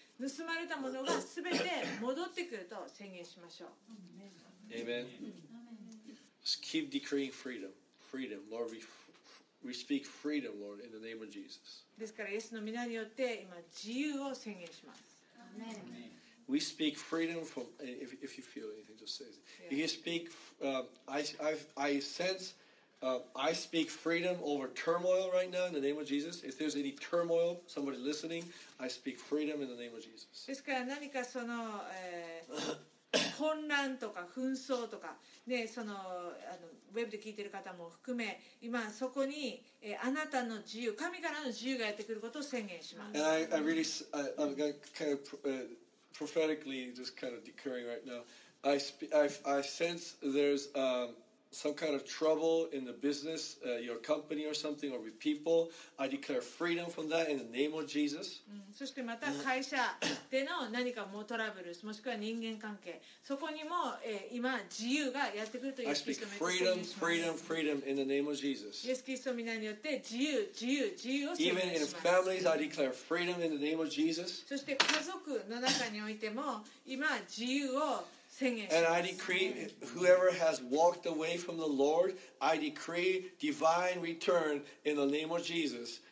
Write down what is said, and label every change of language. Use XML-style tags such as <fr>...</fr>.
<ja>盗まれたものが全て戻ってくると宣言しましょう。</ja> <en>Amen. Just keep decreeing freedom. Freedom, Lord, we speak freedom, Lord, in the name of Jesus.</en> <ja>ですから、イエスの名によって今自由を宣言します。</ja> <en>We speak freedom from, if you feel anything, just say it. If you speak, I speak freedom over turmoil right now in the name of Jesus. If there's any turmoil, somebody listening, I speak freedom in the name of Jesus.</en> <ja>ですから、何かその、混乱とか紛争とか、ね、あのウェブで聞いている方も含め、今そこに、あなたの自由、神からの自由がやってくることを宣言します。</ja> <en>And I really I'm kind of prophetically just kind of declaring right now, I sense there's some kind of trouble in the business, your company or something, or with people. I declare freedom from that in the name of Jesus.</en> <ja>そしてまた会社での何かもうトラブル、もしくは人間関係、そこにも、今自由がやってくるという</ja> <en>。 I speak freedom, freedom, freedom in the name of Jesus.</en> <ja>イエスキリストの名によって自由、自由、自由を宣言します。</ja> <en>Even in families, I declare freedom in the name of Jesus.</en> <ja>そして家族の中においても今自由を。</ja> <en>And I decree, whoever has walked away from the Lord, I decree divine return in the name of Jesus.</en>